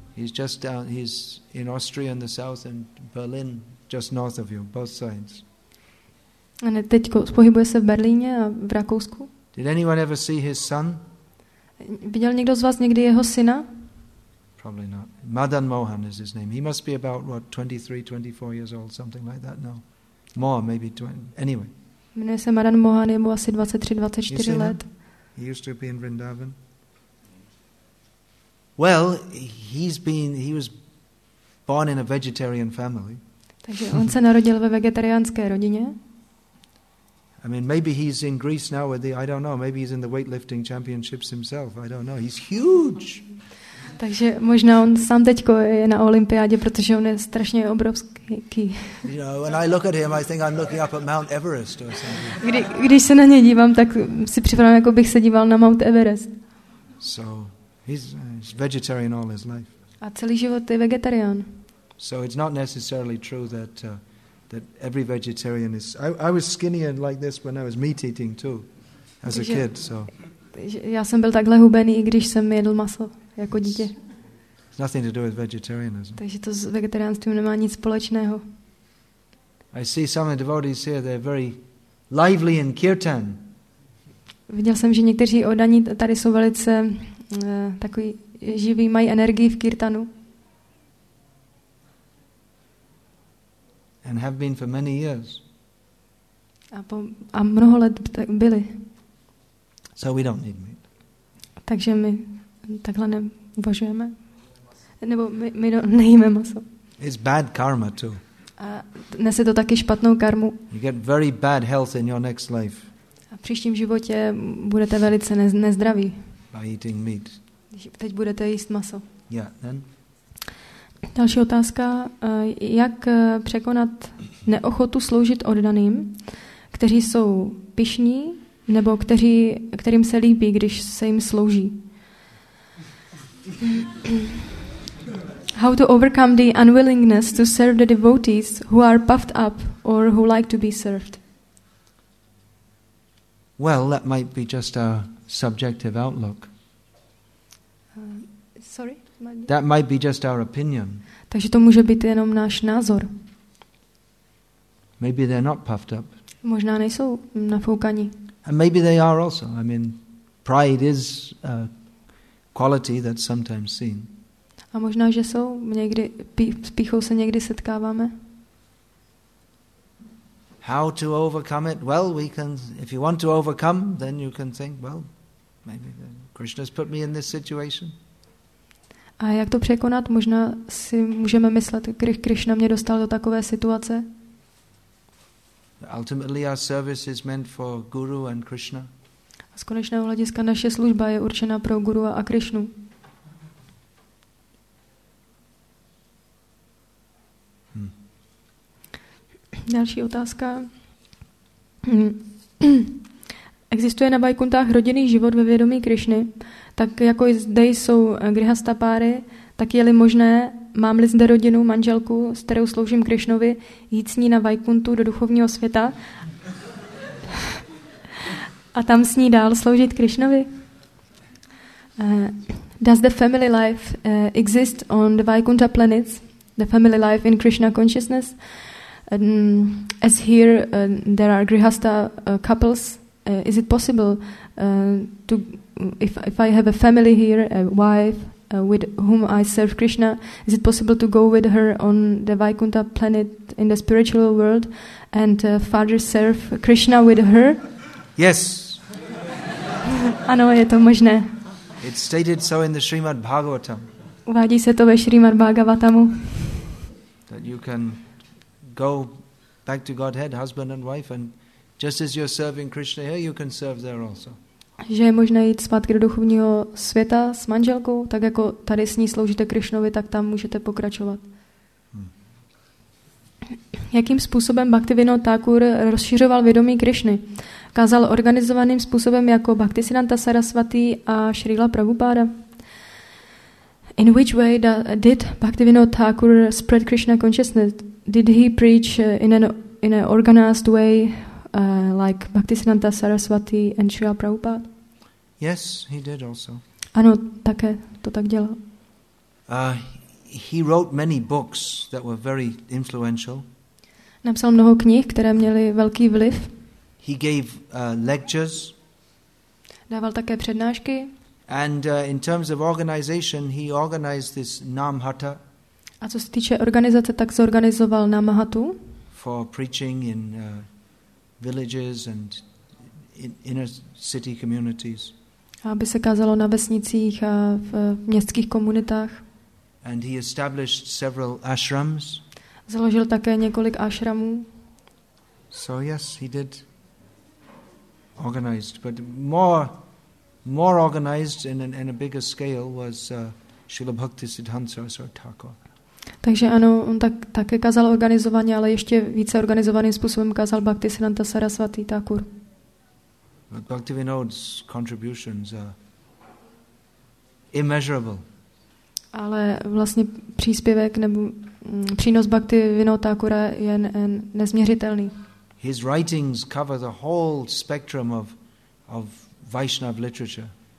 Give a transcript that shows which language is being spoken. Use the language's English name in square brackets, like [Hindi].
[English] He's in Austria in the south and Berlin just north of you, both sides. [Czech] A ne, teď pohybuje se v Berlíně a v Rakousku. [English] Did anyone ever see his son? [Czech] Viděl někdo z vás někdy jeho syna? [English] Probably not. Madan Mohan is his name. He must be about what 23, 24 years old, something like that. No. More, maybe 20. Anyway. [Czech] Jmenuje se Madan Mohan, je mu asi 23, 24 let. [English] He used to be in Vrindavan. Well, he was born in a vegetarian family. [Czech] Takže on se narodil ve vegetariánské rodině. [English] I mean, maybe he's in Greece now with the, I don't know, maybe he's in the weightlifting championships himself, I don't know, he's huge. [Czech] Takže možná on sám teďko je na olympiádě, protože on je strašně obrovský. [English] You know, when I look at him, I think I'm looking up at Mount Everest or something. [Czech] Když se na ně dívám, tak si připadám, jako bych se díval na Mount Everest. [English] So, he's vegetarian all his life. [Czech] A celý život je vegetarián. [English] So it's not necessarily true that... That every vegetarian is. I was skinnier like this when I was meat eating too, as a kid. So. [Czech] Já jsem byl takhle hubený, i když jsem jedl maso jako dítě. [English] It's nothing to do with vegetarianism. [Czech] Takže to s vegetariánstvím nemá nic společného. [English] I see some of the devotees here. They're very lively in kirtan. [Czech] Viděl jsem, že někteří oddaní tady jsou velice takový živí, mají energii v kirtanu. [English] And have been for many years. [Czech] A mnoho let byli. [English] So we don't need meat. [Czech] Takže my takhle neuvažujeme. Nebo my nejíme maso. [English] It's bad karma too. [Czech] A nese to taky špatnou karmu. [English] You get very bad health in your next life. [Czech] A v příštím životě budete velice nezdraví. [English] By eating meat. [Czech] Teď budete jíst maso. [English] Yeah, then. [Czech] Další otázka, jak překonat neochotu sloužit oddaným, kteří jsou pyšní, nebo kterým se líbí, když se jim slouží. [English] How to overcome the unwillingness to serve the devotees who are puffed up or who like to be served? Well, that might be just a subjective outlook. Sorry? That might be just our opinion. [Czech] Takže to může být jenom náš názor. [English] Maybe they're not puffed up. [Czech] Možná nejsou nafoukaní. [English] And maybe they are also. I mean, pride is a quality that's sometimes seen. [Czech] A možná že jsou někdy s pýchou se někdy setkáváme. [English] How to overcome it? Well, we can. If you want to overcome, then you can think, well, maybe Krishna's put me in this situation. [Czech] A jak to překonat? Možná si můžeme myslet, když Krishna mě dostal do takové situace. [English] Ultimately our service is meant for Guru and Krishna. [Czech] A z konečného hlediska naše služba je určena pro Guru a Krishnu. Další otázka. Existuje na Vaikuntách rodinný život ve vědomí Krishny? Tak jako zde jsou grihastha páry, tak je-li možné, mám-li zde rodinu, manželku, s kterou sloužím Krišnovi, jít s ní na Vaikuntu do duchovního světa a tam s ní dál sloužit Krišnovi? [English] Does the family life exist on the Vaikuntha planets? the family life in Krishna consciousness. As here, there are Grihastha couples. Is it possible to, if I have a family here, a wife with whom I serve Krishna, is it possible to go with her on the Vaikuntha planet in the spiritual world and further serve Krishna with her? Yes. [Czech] Ano, je to možné. [English] It's stated so in the Srimad Bhagavatam. [Czech] Uvádí se to ve Srimad Bhagavatamu. [English] That you can go back to Godhead, husband and wife, and just as you're serving Krishna here, you can serve there also. [Czech] Že je možné jít zpátky do duchovního světa s manželkou, tak jako tady s ní sloužíte Krišnovi, tak tam můžete pokračovat. Jakým způsobem Bhaktivinoda Thakur rozšiřoval vědomí Krišny? Kázal organizovaným způsobem jako Bhaktisiddhanta Sarasvati a Srila Prabhupada? [English] In which way did Bhaktivinoda Thakur spread Krishna consciousness? Did he preach in an organized way like Bhaktisiddhanta Sarasvati and Srila Prabhupada? Yes, he did also. [Czech] Ano, také to tak dělal. [English] He wrote many books that were very influential. [Czech] Napsal mnoho knih, které měly velký vliv. [English] He gave lectures. [Czech] Dával také přednášky. [English] And in terms of organization, he organized this Namhatta. [Czech] A co se týče organizace, tak zorganizoval Namhatu. [English] For preaching in villages and in inner city communities. [Czech] Aby se kázalo na vesnicích a v městských komunitách. [English] And he established several ashrams. [Czech] Založil také několik ashramů. [English] So yes, he did organized, but more organized in a bigger scale was Srila Bhaktisiddhanta Saraswati Thakur. [Czech] Takže ano, on také kázal organizovaně, ale ještě více organizovaným způsobem kázal Bhaktisiddhanta Saraswati Thakur. [English] But Bhaktivinoda's contributions are immeasurable. [Czech] Ale vlastně příspěvek nebo přínos Bhaktivinoda Thakura je nezměřitelný. [English] His writings cover the whole spectrum of Vaishnav literature.